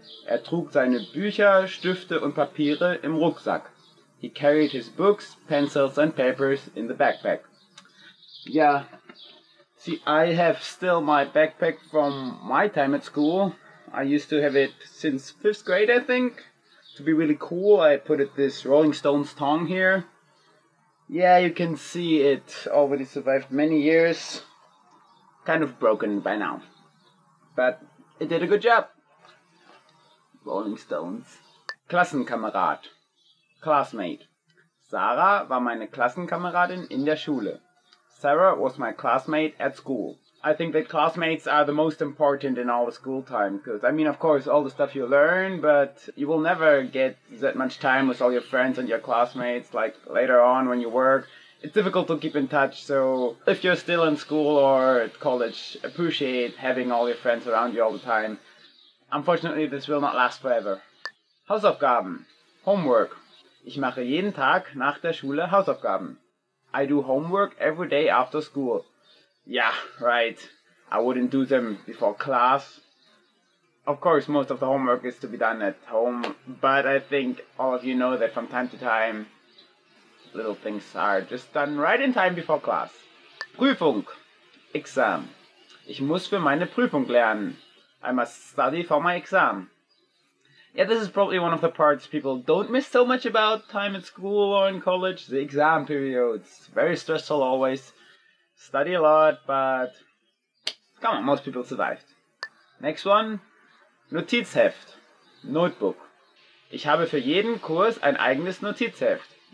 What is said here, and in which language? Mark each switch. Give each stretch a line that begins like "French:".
German: Er trug seine Bücher, Stifte und Papiere im Rucksack.
English: He carried his books, pencils and papers in the backpack. Yeah. See, I have still my backpack from my time at school. I used to have it since 5th grade, I think. To be really cool, I put it this Rolling Stones tong here. Yeah, you can see it already survived many years. Kind of broken by now. But it did a good job. Rolling Stones. Klassenkamerad. Classmate.
German: Sarah war meine Klassenkameradin in der Schule. Sarah was my classmate at school.
English: I think that classmates are the most important in all the school time. Because, I mean, of course, all the stuff you learn, but you will never get that much time with all your friends and your classmates, like, later on when you work. It's difficult to keep in touch, so if you're still in school or at college, appreciate having all your friends around you all the time. Unfortunately, this will not last forever. Hausaufgaben. Homework. Ich mache jeden Tag nach der Schule Hausaufgaben. I do homework every day after school. Yeah, right. I wouldn't do them before class. Of course, most of the homework is to be done at home, but I think all of you know that from time to time, little things are just done right in time before class.
German: Prüfung. Exam. Ich muss für meine Prüfung lernen.
English: I must study for my exam. Yeah, this is probably one of the parts people don't miss so much about time at school or in college, the exam periods. Very stressful always. Study a lot, but come on, most people survived. Next one. Notizheft. Notebook.
German: Ich habe für jeden Kurs ein eigenes Notizheft.